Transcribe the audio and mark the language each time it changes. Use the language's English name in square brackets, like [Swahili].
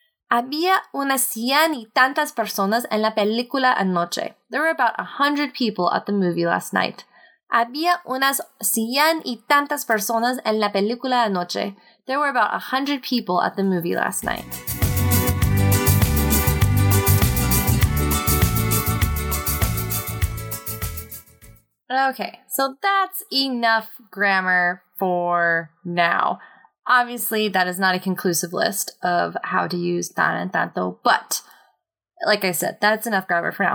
[Spanish] Había unas 100 y tantas personas en la película anoche. [English] There were about 100 people at the movie last night. [Spanish] Había unas 100 y tantas personas en la película anoche. [English] There were about 100 people at the movie last night. Okay, so that's enough grammar for now. Obviously, that is not a conclusive list of how to use tan and tanto, but like I said, that's enough grammar for now.